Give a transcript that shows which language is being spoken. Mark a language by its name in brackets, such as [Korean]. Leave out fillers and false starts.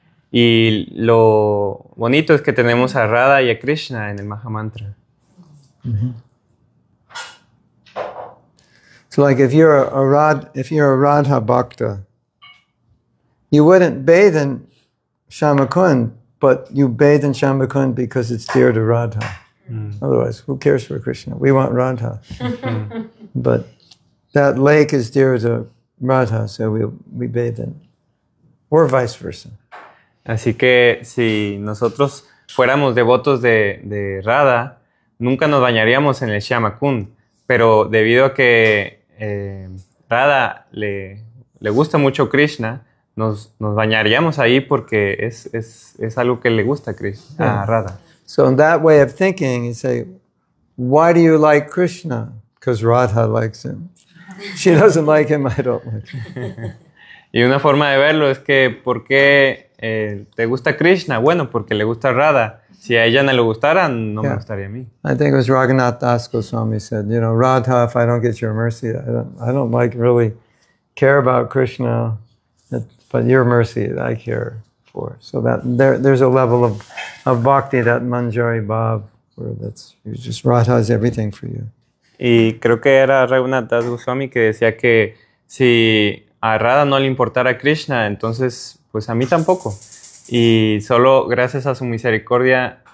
[Spanish] Y lo bonito es que tenemos a Radha y a Krishna en el Maha Mantra. Mm-hmm. [English] So like if you're a Radha Bhakta, you wouldn't bathe in Shyamakund, but you bathe in Shyamakund because it's dear to Radha. Mm. Otherwise, who cares for Krishna? We want Radha. But that lake is dear to Radha, so we bathe in. Or vice versa. [Spanish] Así que si nosotros fuéramos devotos de Radha, nunca nos bañaríamos en el Shyamakund. Pero debido a que Radha le gusta mucho Krishna, Nos bañaríamos ahí porque es algo que le gusta a Krishna, a Radha. [English] So in that way of thinking, you say, why do you like Krishna? Because Radha likes him. She doesn't like him, I don't like him. [Spanish] Y una forma de verlo es que, ¿por qué te gusta Krishna? Bueno, porque le gusta Radha. Si a ella no le gustara, no me gustaría a mí. [English] I think it was Raghunath Das Goswami said, you know, Radha, if I don't get your mercy, I don't like really care about Krishna. But your mercy I care for. So that there's a level of bhakti, that Manjari Bhav, where that's you just Radha is everything for you. [Spanish] Y creo que era Raghunath Das Goswami que decía que si a Radha no le importara Krishna, entonces pues a mí tampoco. Y solo gracias a su misericordia